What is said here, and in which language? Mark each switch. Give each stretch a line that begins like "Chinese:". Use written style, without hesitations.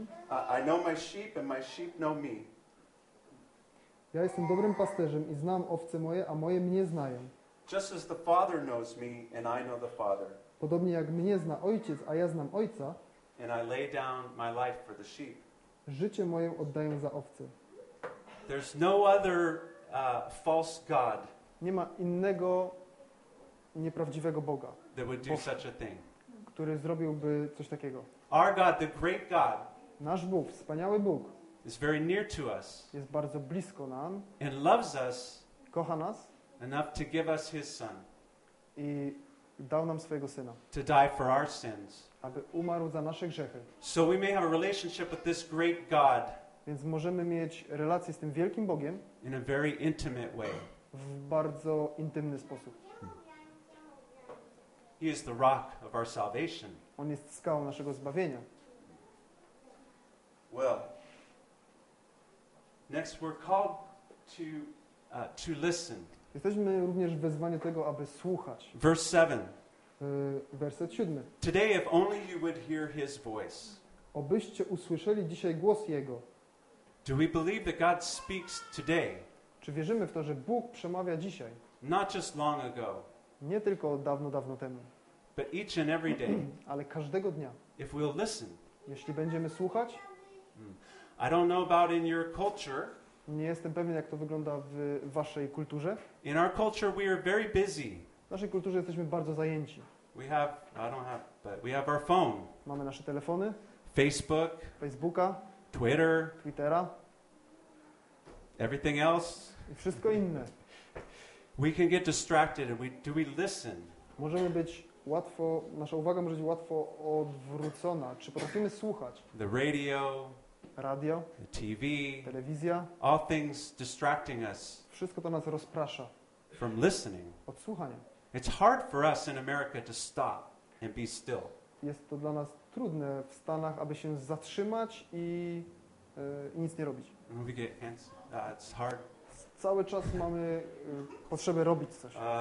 English: I know my sheep and my sheep know me.
Polish: Ja jestem dobrym pasterzem i znam owce moje, a moje mnie znają.
English: Just as the Father knows me and I know the Father.
Polish: Podobnie jak mnie zna Ojciec, a ja znam Ojca.
English: And I lay down my life for the sheep.
Polish: Życie moje oddaję za owce.
English: There's no other false god.
Polish: Nie ma innego nieprawdziwego Boga.
English: That would do such a thing.
Polish: Który zrobiłby coś takiego.
English: Our God, the great God,
Polish: nasz Bóg, wspaniały Bóg,
English: is very near to us,
Polish: jest bardzo blisko nam
English: and loves us,
Polish: kocha nas
English: enough to give us his son,
Polish: i dał nam swojego Syna,
English: to die for our sins,
Polish: aby umarł za nasze grzechy.
English: So we may have a relationship with this great God,
Polish: więc możemy mieć relację z tym wielkim Bogiem
English: in a very intimate way.
Polish: W bardzo intymny sposób.
English: He is the rock of our salvation.
Polish: On jest skałą naszego zbawienia.
English: Well, next we're called to listen.
Polish: Jesteśmy również wezwani do tego, aby słuchać.
English: Verse 7.
Polish: Werset 7.
English: Today, if only you would hear His voice.
Polish: Obyście usłyszeli dzisiaj głos Jego.
English: Do we believe that God speaks today?
Polish: Czy wierzymy w to, że Bóg przemawia dzisiaj?
English: Not just long ago.
Polish: Nie tylko dawno, dawno temu.
English: But each and every day.
Polish: Ale każdego dnia.
English: If we'll listen.
Polish: Jeśli będziemy słuchać.
English: I don't know about in your culture.
Polish: Nie jestem pewien, jak to wygląda w waszej kulturze.
English: In our culture we are very busy.
Polish: W naszej kulturze jesteśmy bardzo zajęci.
English: We have, I don't have, but we have our phone.
Polish: Mamy nasze telefony.
English: Facebook.
Polish: Facebooka.
English: Twitter.
Polish: Twittera.
English: Everything else.
Polish: I wszystko inne.
English: We can get distracted and do we listen?
Polish: Możemy być łatwo, nasza uwaga może być łatwo odwrócona. Czy potrafimy słuchać?
English: The radio.
Polish: Radio.
English: The TV.
Polish: Telewizja.
English: All things distracting us.
Polish: Wszystko to nas rozprasza.
English: From listening.
Polish: Od słuchania.
English: It's hard for us in America to stop and be still.
Polish: Jest to dla nas trudne w Stanach, aby się zatrzymać i nic nie robić.
English: We get hands. It's hard.
Polish: Cały czas mamy potrzebę robić coś.